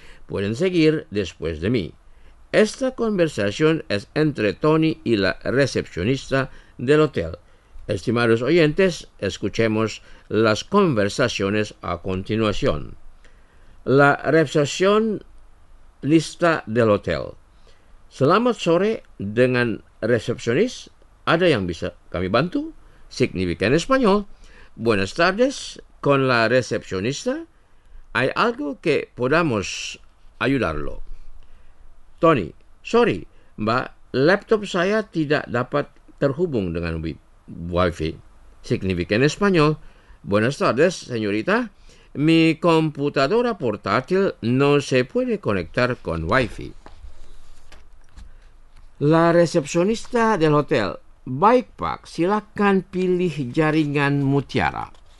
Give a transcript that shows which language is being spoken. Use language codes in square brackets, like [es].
[es] Pueden seguir después de mí. Esta conversación es entre Tony y la recepcionista del hotel. Estimados oyentes, escuchemos las conversaciones a continuación. La recepcionista del hotel. [id] Selamat sore dengan recepcionis. ¿Ada yang bisa kami bantu? [es] Significa en español. Buenas tardes con la recepcionista. ¿Hay algo que podamos ayudarlo? [id] Tony. Sorry, mbak. Laptop saya tidak dapat terhubung dengan wifi. [es] Significa en español. Buenas tardes, señorita. Mi computadora portátil no se puede conectar con Wi-Fi. La recepcionista del hotel. [id] Baik, Pak, silakan pilih jaringan Mutiara.